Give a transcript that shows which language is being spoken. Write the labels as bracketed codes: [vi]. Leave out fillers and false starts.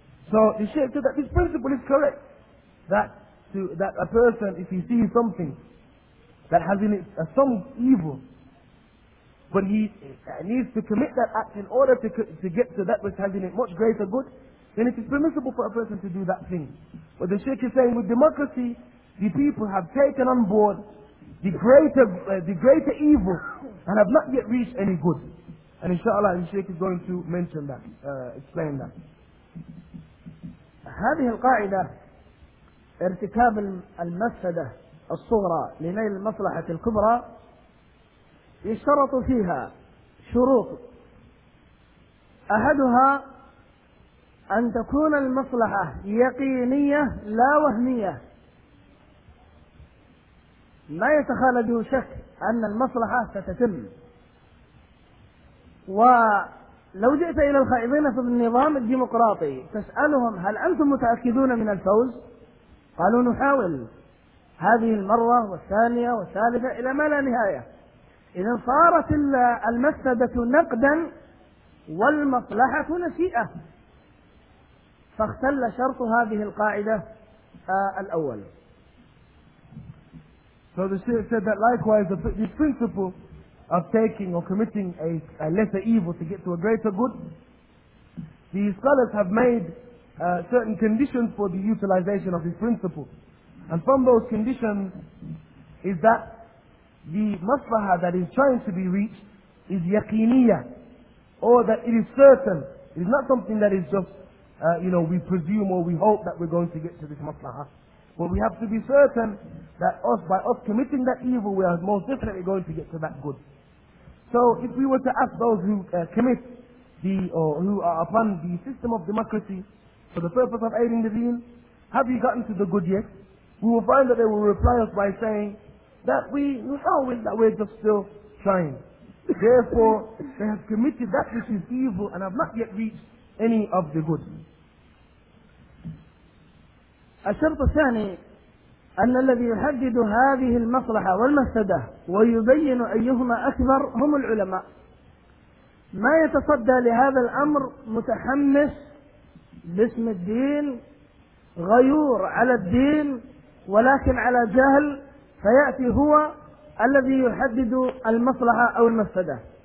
[en] So the Shaykh said that this principle is correct, that a person, if he sees something that has in it some evil, but he needs to commit that act in order to get to that which has in it much greater good, then it is permissible for a person to do that thing. But the Shaykh is saying, with democracy, the people have taken on board the greater evil and have not yet reached any good. And inshallah, the Shaykh is going to mention that, explain that. [ar] هذه القاعدة ارتكاب المفسدة الصغرى لنيل المصلحة الكبرى يشترط فيها شروط، أحدها أن تكون المصلحة يقينية لا وهمية، لا يتخلد شك أن المصلحة ستتم. ولو جئت إلى الخائضين في النظام الديمقراطي تسألهم هل أنتم متأكدون من الفوز؟ قالوا نحاول هذه المرة والثانية والثالثة إلى ما لا نهاية. إذا صارت المفسدة نقدا والمصلحة نسيئة، فاختل شرط هذه القاعدة الأول. [en] So the Shaykh said that likewise this principle of taking or committing a lesser evil to get to a greater good, the scholars have made certain conditions for the utilization of this principle. And from those conditions is that the maslaha that is trying to be reached is yaqiniya, or that it is certain. It is not something that is just, we presume or we hope that we're going to get to this maslaha. But we have to be certain that by us committing that evil, we are most definitely going to get to that good. So if we were to ask those who commit who are upon the system of democracy for the purpose of aiding the deen, have you gotten to the good yet? We will find that they will reply us by saying, that we know that we're just still trying. Therefore, they have committed that which is evil and have not yet reached any of the good. [ar] الشرط الثاني أن الذي يحدد هذه المصلحة والمفسدة ويبين أيهما أكبر هم العلماء. ما يتصدى لهذا الأمر متحمس باسم الدين، غيور على الدين، ولكن على جهل، فيأتي هو الذي يحدد المصلحة أو المفسدة.